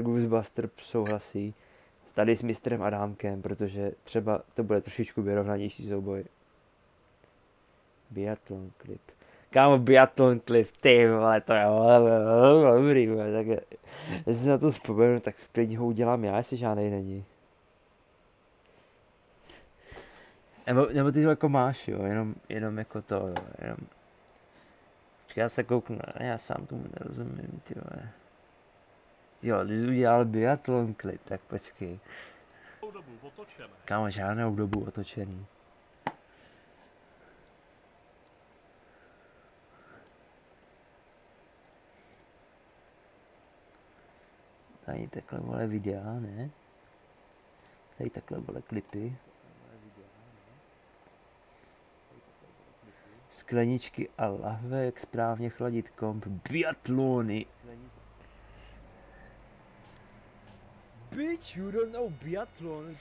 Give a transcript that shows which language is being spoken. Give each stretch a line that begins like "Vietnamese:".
Czech: Goosebuster souhlasí tady s Mistrem Adámkem, protože třeba to bude trošičku vyrovnanější souboj. Biathlon klip. Kámo, biathlon klip, ty vole, to je dobrý, tak jestli se na to vzpomenu, tak klidně ho udělám já, jestli žádnej není. Nebo ty to jako máš, jo, jenom jako to, jo, jenom. Počkej, já se kouknu, já sám tomu nerozumím, ty vole. Jo, ty jsi udělal biathlon klip, tak počkej. Kámo, žádnou dobu otočený. Tady takhle vole videa, ne? Tady takhle vole klipy. Skleničky a lahve, jak správně chladit komp. Biathlony.
English: Bitch, you don't know biathlon.